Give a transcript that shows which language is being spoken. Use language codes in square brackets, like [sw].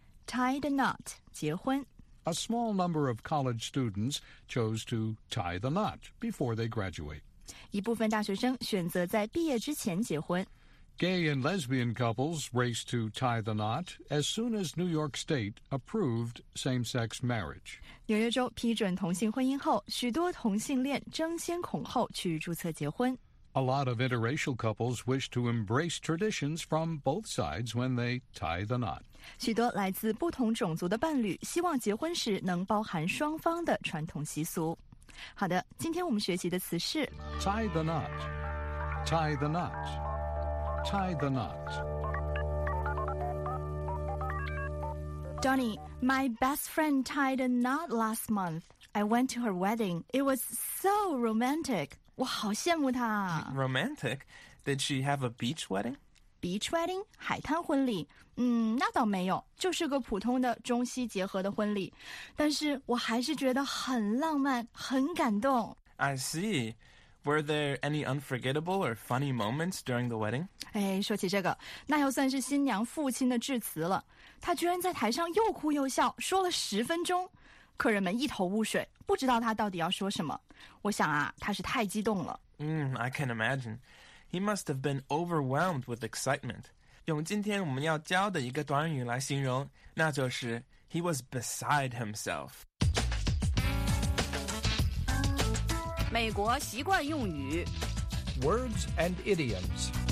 [en] Tie the knot, [zh] 结婚 [en] A small number of college students chose to tie the knot before they graduate. [zh] 一部分大学生选择在毕业之前结婚 [en] Gay and lesbian couples race to tie the knot as soon as New York State approved same-sex marriage. [zh] 纽约州批准同性婚姻后许多同性恋争先恐后去注册结婚 [en] A lot of interracial couples wish to embrace traditions from both sides when they tie the knot. [zh] 许多来自不同种族的伴侣希望结婚时能包含双方的传统习俗。好的，今天我们学习的词是 [en] tie the knot, tie the knot, tie the knot. Donny, my best friend tied a knot last month. I went to her wedding. It was so romantic. [zh] 我好羡慕她。 [en] Romantic? Did she have a beach wedding? Beach wedding? [zh] 海滩婚礼？那倒没有，就是个普通的中西结合的婚礼。但是我还是觉得很浪漫，很感动。 [en] I see. Were there any unforgettable or funny moments during the wedding? [zh] 哎，说起这个，那要算是新娘父亲的致辞了。他居然在台上又哭又笑，说了十分钟。客人们一头雾水，不知道他到底要说什么。我想啊，他是太激动了。 [en] I can imagine. He must have been overwhelmed with excitement. [zh] 用今天我们要教的一个短语来形容，那就是 [en] he was beside himself. [zh] 美国习惯用语 [en] Words and idioms.